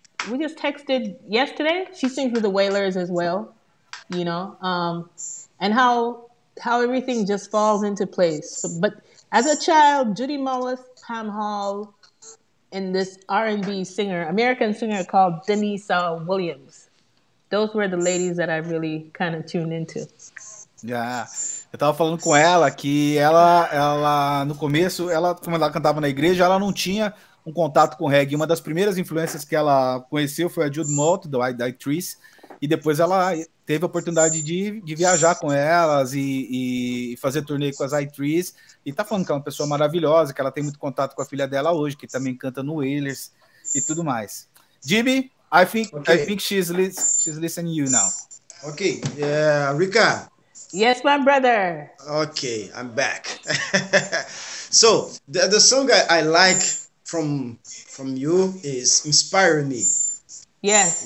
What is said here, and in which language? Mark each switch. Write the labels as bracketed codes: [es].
[en] We just texted yesterday. She sings with the Wailers as well, you know, and how everything just falls into place. But as a child, Judy Mullis, Pam Hall, and this R&B singer, American singer called Denise Williams. Those were the ladies that I really kind of tuned into. Yeah. [pt] Eu tava falando com ela que ela no começo, ela, como ela cantava na igreja, ela não tinha um contato com reggae. Uma das primeiras influências que ela conheceu foi a Jude Mowat, do I Trees, e depois ela teve a oportunidade de viajar com elas e fazer turnê com as I Trees. E tá falando que é uma pessoa maravilhosa, que ela tem muito contato com a filha dela hoje, que também canta no Wailers e tudo mais. Jimmy, [en] I think okay. I think she's listening to you now. Okay. Yeah, Rica. Yes, my brother. Okay, I'm back. So the song I like from you is Inspire Me. Yes.